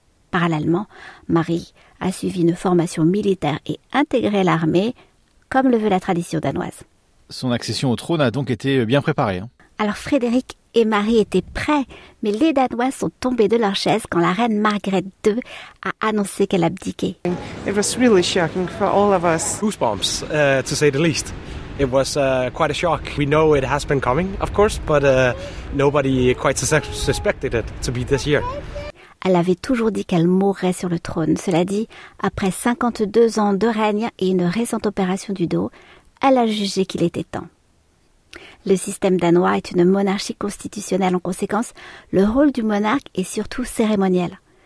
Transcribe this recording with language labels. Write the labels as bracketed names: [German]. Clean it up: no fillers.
[French] Parallèlement, Marie a suivi une formation militaire et intégré l'armée comme le veut la tradition danoise. Son accession au trône a donc été bien préparée. Alors Frédéric et Marie étaient prêts, mais les Danois sont tombés de leur chaise quand la reine Margaret II a annoncé qu'elle abdiquait. [English] It was really shocking for all of us. Goosebumps, to say the least. It was quite a shock. We know it has been coming, of course, but nobody quite suspected it to be this year. [French] Elle avait toujours dit qu'elle mourrait sur le trône. Cela dit, après 52 ans de règne et une récente opération du dos, elle a jugé qu'il était temps. Le système danois est une monarchie constitutionnelle. En conséquence, le rôle du monarque est surtout cérémoniel.